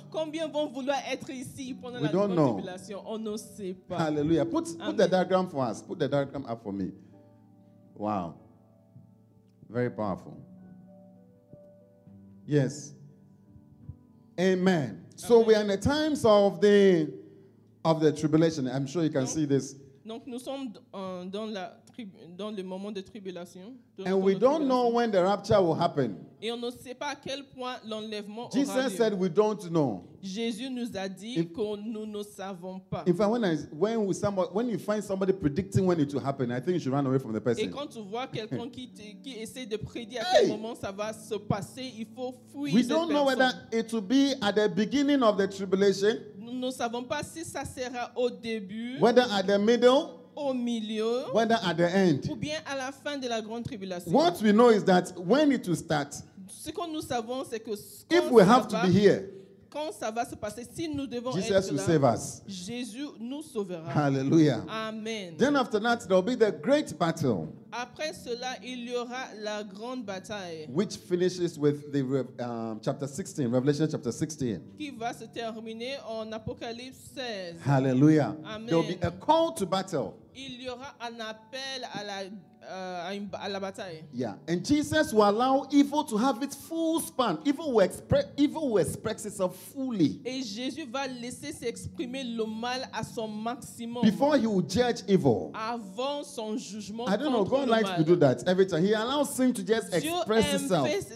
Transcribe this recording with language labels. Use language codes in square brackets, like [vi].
[fr] Combien vont vouloir être ici pendant [en] we [fr] la [en] don't know. [fr] Tribulation? On ne sait pas. [en] Hallelujah. Put the diagram for us. Put the diagram up for me. Wow. Very powerful. Yes. Amen. So we are in the times of the tribulation. I'm sure you can see this. [fr] Donc nous sommes dans la dans le moment de tribulation. [en] And we don't know when the rapture will happen. [fr] Et on ne sait pas à quel point l'enlèvement aura lieu. [en] Jesus said we don't know. [fr] Jésus nous a dit que nous ne savons pas. [en] In fact, when you find somebody predicting when it will happen, I think you should run away from the person. [fr] Et quand tu vois quelqu'un qui essaie de prédire à quel moment ça va se passer, il faut fuir cette personne. [en] We don't know whether it will be at the beginning of the tribulation. [fr] Nous ne savons pas si ça sera au début. [en] Whether at the middle. [fr] Au milieu, [en] whether at the end. [fr] Ou bien à la fin de la grande tribulation. What we know is that when it will start. Ce que nous savons c'est que [en] if we have to be here. [fr] Quand ça va se passer, si nous devons [en] Jesus [fr] être là, [en] save us. [fr] Jésus nous sauvera. [en] Hallelujah. Amen. Then after that there will be the great battle. [fr] Après cela, il y aura la grande bataille. [en] Which finishes with the chapter 16, Revelation chapter 16. [fr] Qui va se terminer en Apocalypse 16. [en] Hallelujah. Amen. There will be a call to battle. [fr] Il y aura un appel à la à la bataille. [en] Yeah, and Jesus will allow evil to have its full span. Evil will express itself fully. [fr] Et Jésus va laisser s'exprimer le mal à son maximum. [en] Before he will judge evil. [fr] Avant son jugement. [en] I don't know. God likes to do that every time. He allows sin to just express itself.